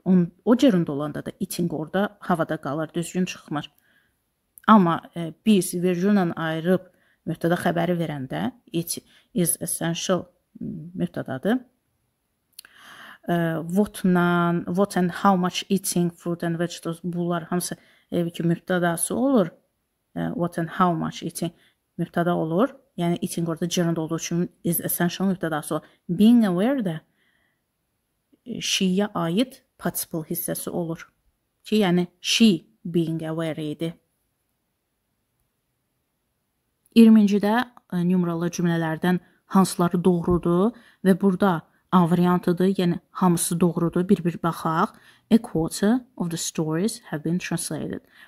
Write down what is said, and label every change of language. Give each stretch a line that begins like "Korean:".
Azerbaijani: O gerund olanda da eating orada havada qalır, düzgün çıxmır. Amma biz virgül-lə ayırıb mübtədə xəbəri verəndə,
English: it is essential
Azerbaijani: mübtədadır.
English: What and how much eating fruit and vegetables,
Azerbaijani: bunlar hamısı ki mübtədası olur.
English: What and how much eating
Azerbaijani: mübtəda olur. Yəni eating orada gerund olduğu üçün
English: is essential
Azerbaijani: mübtədası olur.
English: Being aware
Azerbaijani: de she-yə aid participle hissəsi olur. Ki yəni
English: she being aware
Azerbaijani: idi. 20-ci də numeralı cümlələrdən hansıları doğrudur və burada A variantıdır, yəni hamısı doğrudur, bir-bir baxaq.
English: A quarter of the stories have been translated.